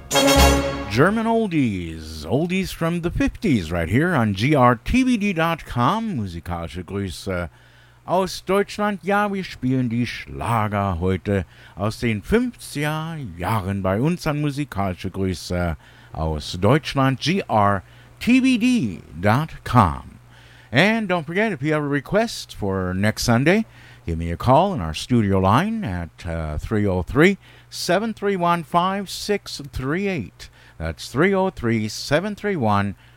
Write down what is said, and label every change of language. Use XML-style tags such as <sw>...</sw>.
<en>Oldies from the 50s right here on grtvd.com.</en> <de>Musikalische Grüße aus Deutschland. Ja, wir spielen die Schlager heute aus den 50er Jahren bei uns an Musikalische Grüße aus Deutschland, grtvd.com.</de> <en>And don't forget, if you have a request for next Sunday, give me a call in our studio line at 303-731-5638. That's 303-731-5638.</en>